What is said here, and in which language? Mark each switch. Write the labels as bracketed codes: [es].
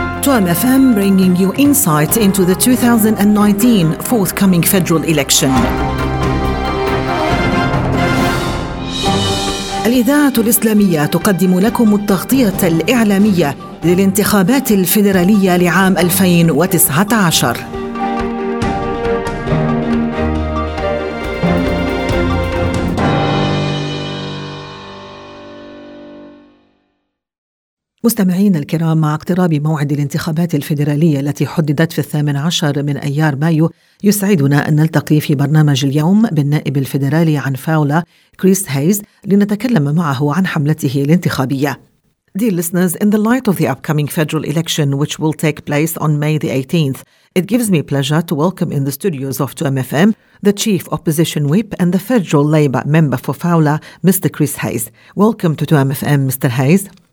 [en] Swarm FM bringing you insight into the 2019 forthcoming federal election. [ar] الإذاعة الإسلامية تقدم لكم التغطية الإعلامية للانتخابات الفيدرالية لعام 2019. مستمعين الكرام، مع اقتراب موعد الانتخابات الفيدرالية التي حددت في 18 من أيار مايو، يسعدنا أن نلتقي في برنامج اليوم بالنائب الفيدرالي عن فاولا كريس هايز لنتكلم معه عن حملته الانتخابية. [en] Dear listeners, in the light of the upcoming federal election which will take place on May the 18th, it gives me pleasure to welcome in the studios of 2MFM the Chief Opposition Whip and the Federal Labour Member for Fowler, Mr. Chris Hayes. Welcome to 2MFM, Mr. Hayes.